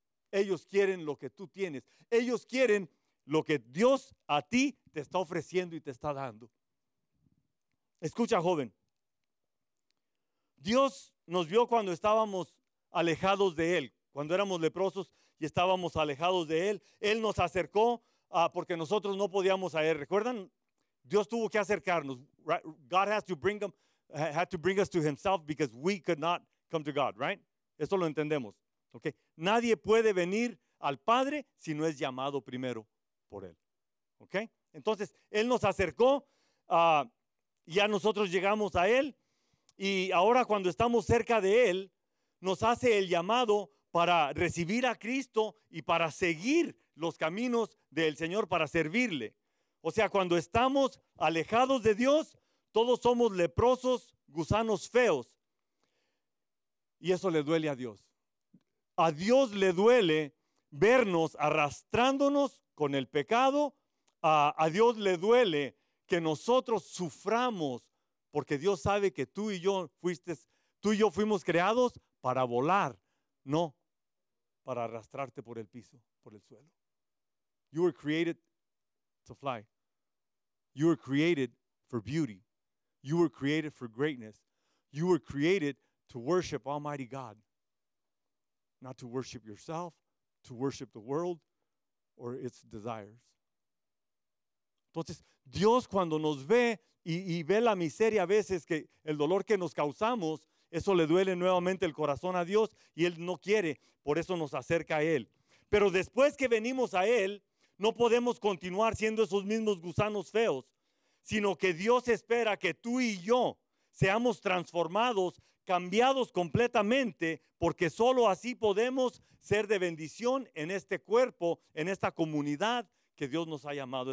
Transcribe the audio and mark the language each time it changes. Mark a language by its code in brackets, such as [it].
[es] Ellos quieren lo que tú tienes. Ellos quieren lo que Dios a ti te está ofreciendo y te está dando. Escucha, joven. Dios nos vio cuando estábamos alejados de Él. Cuando éramos leprosos y estábamos alejados de Él, Él nos acercó porque nosotros no podíamos a Él. ¿Recuerdan? Dios tuvo que acercarnos. [en] Right? God had to bring us to Himself because we could not come to God, right? [es] Eso lo entendemos. Okay. Nadie puede venir al Padre si no es llamado primero por Él. Okay. Entonces, Él nos acercó y ya nosotros llegamos a Él. Y ahora cuando estamos cerca de Él, nos hace el llamado para recibir a Cristo y para seguir los caminos del Señor para servirle. O sea, cuando estamos alejados de Dios, todos somos leprosos, gusanos feos. Y eso le duele a Dios. A Dios le duele vernos arrastrándonos con el pecado. A Dios le duele que nosotros suframos, porque Dios sabe que tú y yo fuimos creados para volar, no para arrastrarte por el piso, por el suelo. [en] You were created to fly. You were created for beauty. You were created for greatness. You were created to worship Almighty God, not to worship yourself, to worship the world or its desires. [es] Entonces, Dios cuando nos ve y ve la miseria a veces, que el dolor que nos causamos, eso le duele nuevamente el corazón a Dios y Él no quiere, por eso nos acerca a Él. Pero después que venimos a Él, no podemos continuar siendo esos mismos gusanos feos, sino que Dios espera que tú y yo seamos transformados, cambiados completamente, porque solo así podemos ser de bendición en este cuerpo, en esta comunidad que Dios nos ha llamado.